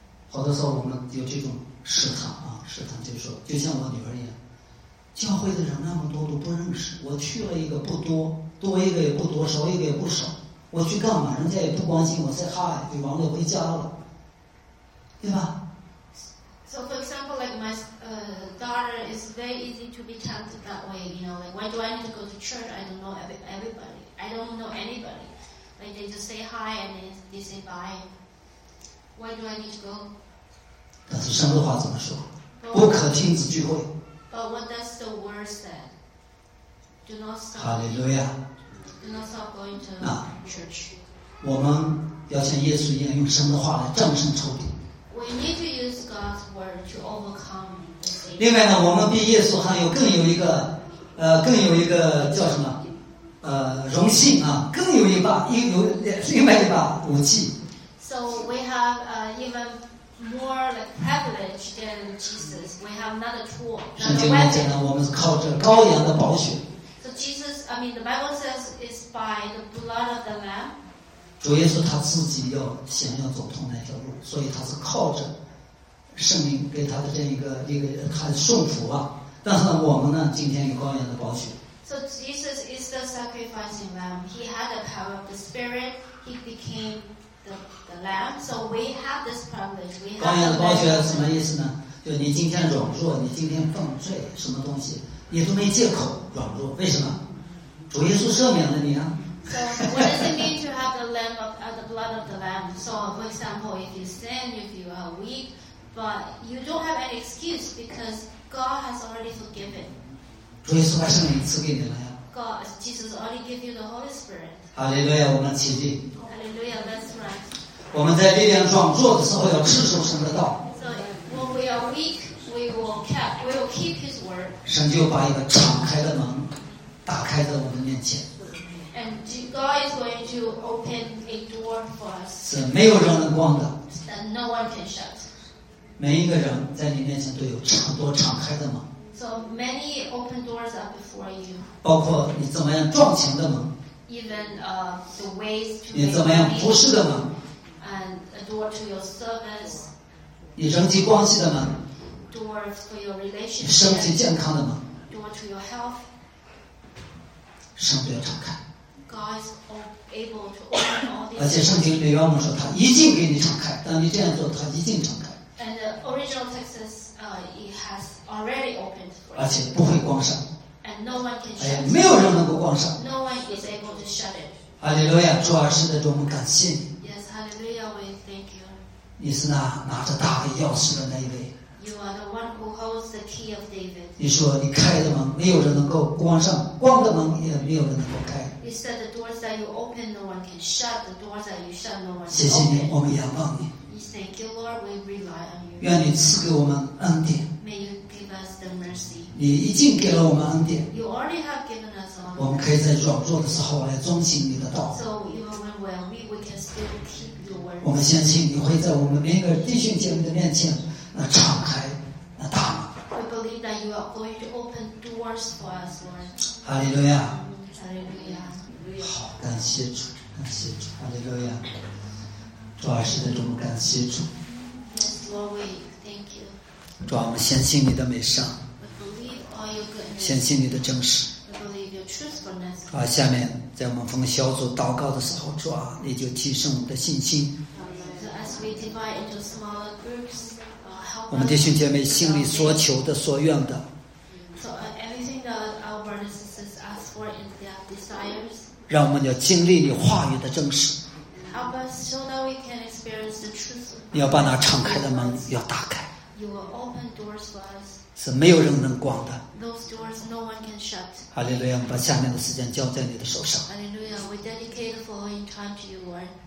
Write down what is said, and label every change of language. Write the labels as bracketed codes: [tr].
[zh] 好多时候我们有这种试探啊，试探就是说，就像我女儿一样，教会的人那么多都不认识，我去了一个不多，多一个也不多，少一个也不少，我去干嘛？人家也不关心我， [en] say hi， [zh] 就完了，回家了，对吧？ [en] So for example, like my daughter is very easy to be tempted that way. You know, like why do I need to go to church? I don't know everybody. I don't know anybody. Like they just say hi and they say bye. Why do I need to go? [zh] 但是神的话怎么说？不可停止聚会。 [en] But what does the word say? Do not stop. Hallelujah. Do not stop going to church. [zh] 我们要像耶稣一样，用神的话来战胜仇敌。 [en] We need to use God's word to overcome. [zh] 另外呢，我们比耶稣还有更有一个，更有一个叫什么？荣幸啊，更有一把，另外一把武器。 [en] So we have even more like privilege than Jesus. We have another tool. [zh] 圣经里面讲呢，我们是靠着羔羊的宝血。 [en] So Jesus, I mean, the Bible says it's by the blood of the Lamb. [zh] 主耶稣他自己要想要走通那条路，所以他是靠着圣灵给他的这一个他的顺服啊。但是呢，我们呢，今天有羔羊的宝血。 [en] So Jesus is the sacrificing lamb. He had the power of the Spirit. He became the lamb. So we have this privilege. We have. [zh] 羔羊的宝血什么意思呢？就你今天软弱，你今天犯罪，什么东西你都没借口软弱，为什么？主耶稣赦免了你啊。 [en] So what does it mean to have the lamb of the blood of the lamb? So for example, if you sin, if you are weak, but you don't have any excuse because God has already forgiven. [zh] 主耶稣把圣灵赐给你了呀。 [en] God, Jesus already gave you the Holy Spirit. [zh] Hallelujah, 我们起立。 [en] Hallelujah, that's right. [zh] 我们在力量壮弱的时候要持守神的道。 [en] So when we are weak, we will keep His word. [zh] 神就把一个敞开的门打开在我们面前。 [en] And God is going to open a door for us. [zh] 是没有人能关的。 [en] That no one can shut. [zh] 每一个人在你面前都有敞开的门。 [en] So many open doors are before you. [zh] 包括你怎么样撞墙的门。 [en] Even the ways to. [zh] 你怎么样服侍的门。 [en] And a door to your service. [zh] 你人际关系的门。 [en] Doors for your relationship. [zh] 你身体健康的门。 [en] Door to your health. [zh] 神都要敞开。 [en] God is able to open all these. [zh] 而且圣经里面说，他一进给你敞开，当你这样做，他一进敞开。 [en] And the original text says, it has already opened. [zh] 而且不会关上。 [en] And no one can shut. [zh] 哎呀，没有人能够关上。 [en] No one is able to shut it. [zh] 哈利路亚，主啊，实在我们感谢你。 [en] Yes, Hallelujah, we thank you. [zh] 你是那拿着大卫钥匙的那一位。 [en] You are the one who holds the key of David. [zh] 你说你开的门，没有人能够关上；关的门，也没有人能够开。 [en] You said the doors that you open, no one can shut. The doors that you shut, no one can open. [zh] 谢谢你，我们仰望你。 [en] You thank you, Lord. We rely on you. [zh] 愿你赐给我们恩典。 [en] May you give us the mercy. [zh] 你已经给了我们恩典。 [en] You already have given us all. [zh] 我们可以在软弱的时候来遵行你的道。 [en] So even when we are weak, we can still keep your word. [zh] 我们相信你会在我们每个弟兄姐妹的面前，那敞开那大门。 [en] We believe that you are going to open doors for us, Lord. Hallelujah. Hallelujah. [zh] 好，感谢主，感谢主，哈利路亚！主啊，实在我们感谢主。 [en] Yes, Lord, we thank you. [zh] 主啊，我们相信你的美善。 [en] We believe all your goodness. [zh] 相信你的真实。 [en] We believe your truthfulness. [zh] 主啊，下面在我们奉小组祷告的时候，主啊，你就提升我们的信心。 [en] So as we divide into smaller groups, help. [zh] 我们弟兄姐妹心里所求的、所愿的。 [en] So everything that our brothers and sisters ask for in their [zh] 让我们要经历你话语的真实。 [en] Help us so that we can experience the truth. [zh] 你要把那敞开的门要打开。 [en] You will open doors for us. [zh] 是没有人能关的。 [en] Those doors no one can shut. [zh] 哈利路亚，把下面的时间交在你的手上。 [en] Hallelujah, we dedicate the following time to you, Lord.